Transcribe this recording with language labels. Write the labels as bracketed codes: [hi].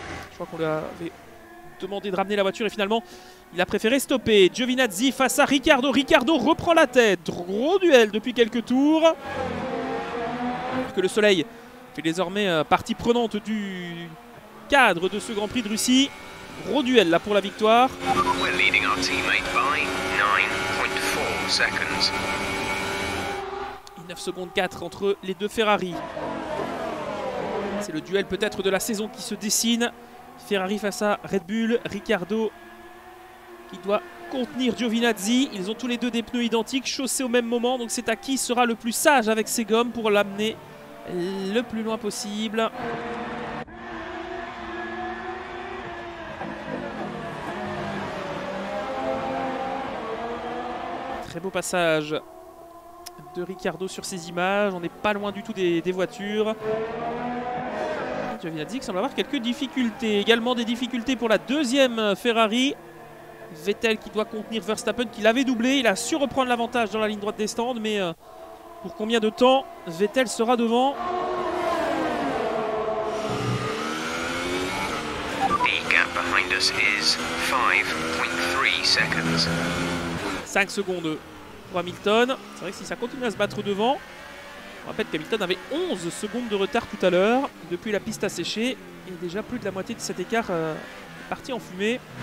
[fr] Je crois qu'on lui avait demandé de ramener la voiture et finalement, il a préféré stopper. Giovinazzi face à Ricciardo. Ricciardo reprend la tête. Gros duel depuis quelques tours. Alors que le soleil fait désormais partie prenante du cadre de ce Grand Prix de Russie. Gros duel là pour la victoire. [en] We're leading our teammate by 9.4 seconds. [fr] 9 secondes 4 entre les deux Ferrari. C'est le duel peut-être de la saison qui se dessine. Ferrari face à Red Bull, Ricciardo qui doit contenir Giovinazzi. Ils ont tous les deux des pneus identiques, chaussés au même moment. Donc c'est à qui sera le plus sage avec ses gommes pour l'amener le plus loin possible. Très beau passage de Ricciardo sur ces images. On n'est pas loin du tout des voitures. Giovinazzi qui semble avoir quelques difficultés. Également des difficultés pour la deuxième Ferrari. Vettel qui doit contenir Verstappen qui l'avait doublé. Il a su reprendre l'avantage dans la ligne droite des stands. Mais pour combien de temps Vettel sera devant? [en] The gap behind us is 5.3 seconds. [fr] 5 secondes pour Hamilton. C'est vrai que si ça continue à se battre devant, on rappelle qu'Hamilton avait 11 secondes de retard tout à l'heure. Depuis, la piste a séché et déjà plus de la moitié de cet écart est parti en fumée.